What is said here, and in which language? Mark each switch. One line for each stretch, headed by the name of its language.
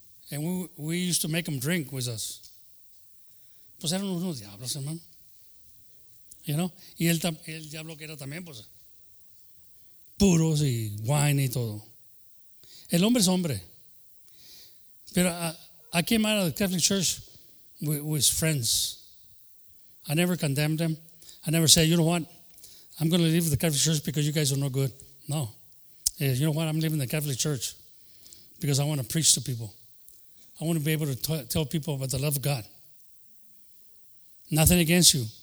English: And we used to make him drink with us.
Spanish: Pues eran unos diablos, hermano.
English: You know?
Spanish: Y el diablo que era también, pues, puros y wine y todo. El hombre es hombre. Pero
English: I came out of the Catholic Church with friends. I never condemned them. I never said, you know what? I'm going to leave the Catholic Church because you guys are no good. No. Yeah, you know what? I'm leaving the Catholic Church because I want to preach to people. I want to be able to tell people about the love of God. Nothing against you.